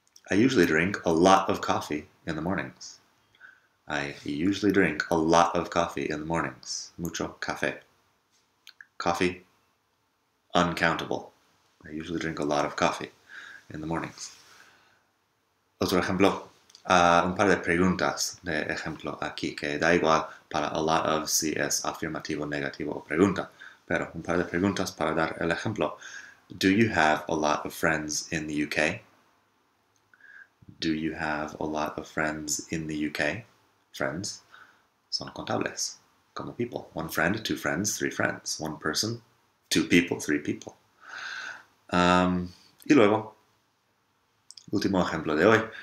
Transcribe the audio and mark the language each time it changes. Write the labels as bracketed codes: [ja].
[en] I usually drink a lot of coffee in the mornings. I usually drink a lot of coffee in the mornings. [es] Mucho café. [en] Coffee, uncountable. I usually drink a lot of coffee in the mornings. [es] Otro ejemplo, un par de preguntas de ejemplo aquí, que da igual para a lot of si es afirmativo, negativo o pregunta. Pero un par de preguntas para dar el ejemplo. [en] Do you have a lot of friends in the UK? Do you have a lot of friends in the UK? Friends [es] son contables, como [en] people. One friend, two friends, three friends. One person, two people, three people. [es] Y luego, último ejemplo de hoy.